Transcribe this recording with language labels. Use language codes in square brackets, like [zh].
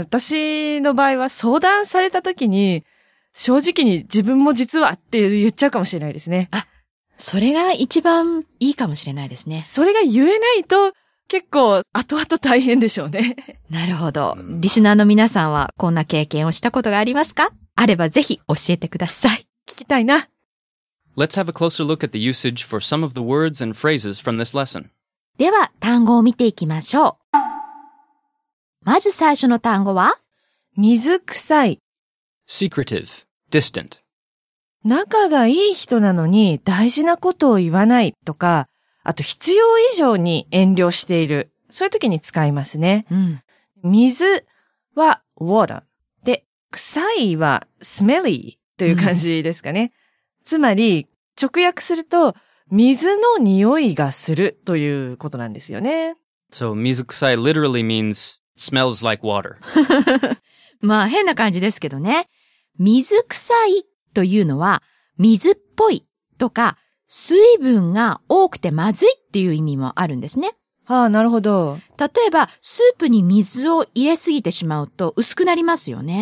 [ja] 私の場合は相談された時に、正直に自分も実はって言っちゃうかもしれないですね。あ、それが一番いいかもしれないですね。それが言えないと、結構後々大変でしょうね。なるほど。リスナーの皆さんはこんな経験をしたことがありますか？あればぜひ教えてください。聞きたいな。 [en] Let's have a closer look at the usage for some of the words and phrases from this lesson. [ja] では、単語を見ていきましょう。まず最初の単語は、水臭い。 [en] Secretive, distant. [ja] 仲がいい人なのに大事なことを言わないとか、あと必要以上に遠慮している。そういう時に使いますね。うん、水は water。で、臭いは smelly という感じですかね。うん、つまり直訳すると水の匂いがするということなんですよね。 [en] So 水臭い literally means smells like water. [ja] まあ変な感じですけどね。水臭いというのは水っぽいとか水分が多くてまずいっていう意味もあるんですね。ああ、なるほど。例えばスープに水を入れすぎてしまうと薄くなりますよね。